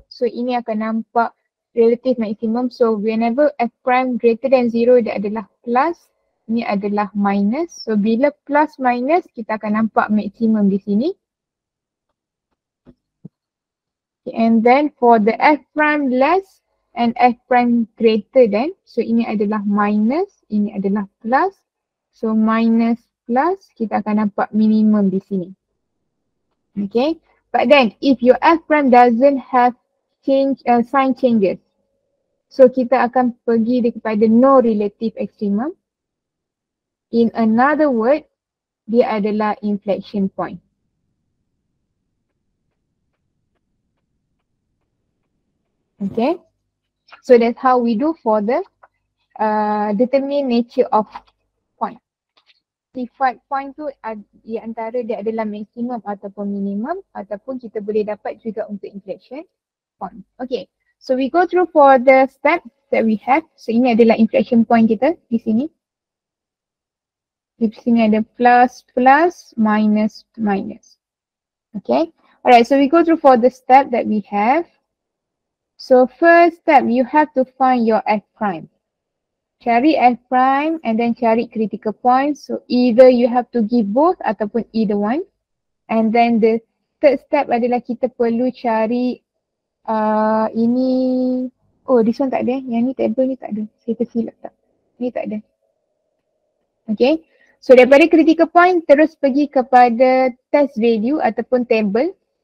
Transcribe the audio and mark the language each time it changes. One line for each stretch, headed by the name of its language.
Malay: So ini akan nampak
English: relative maximum. So whenever f prime greater than 0,
Malay: dia adalah plus. Ini adalah minus. So bila plus minus, kita akan nampak maximum di sini.
English: Okay, and then for the f prime less and f prime greater than.
Malay: So ini adalah minus, ini adalah plus. So minus plus, kita akan nampak minimum di sini.
English: Okay, but then if your f prime doesn't have change sign changes,
Malay: so kita akan pergi kepada no relative extremum.
English: In another word,
Malay: dia adalah
English: inflection point. Okay, so that's how we do for the determine nature of point.
Malay: Sifat point tu di antara dia adalah maximum ataupun minimum, ataupun kita boleh dapat juga untuk inflection point.
English: Okay, so we go through for the step that we have.
Malay: So ini adalah inflection point kita di sini. Di sini ada plus plus minus minus.
English: Okay, alright, so we go through for the step that we have. So first step, you have to find your f prime.
Malay: Cari
English: f prime and then cari critical point. So either you have to give both
Malay: ataupun
English: either one.
Malay: And then the third step adalah kita perlu cari ini. Oh, this one tak ada. Yang ni table ni tak ada. Saya tersilap tak. Ni tak ada. Okay. So daripada critical point, terus pergi kepada test value ataupun table.